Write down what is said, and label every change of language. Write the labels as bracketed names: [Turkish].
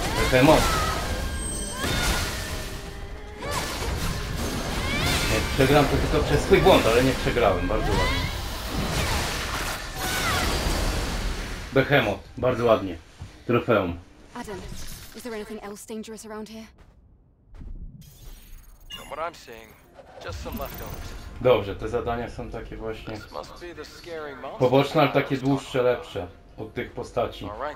[Polish] Behemoth. Nie przegram to tylko przez swój błąd, ale nie przegrałem, bardzo ładnie. Behemoth, bardzo ładnie. Trofeum. [English] Adam, is there anything else dangerous around here? What I'm seeing, just some leftovers. [Polish] Dobrze, te zadania są takie właśnie poboczne, ale takie dłuższe, lepsze od tych postaci.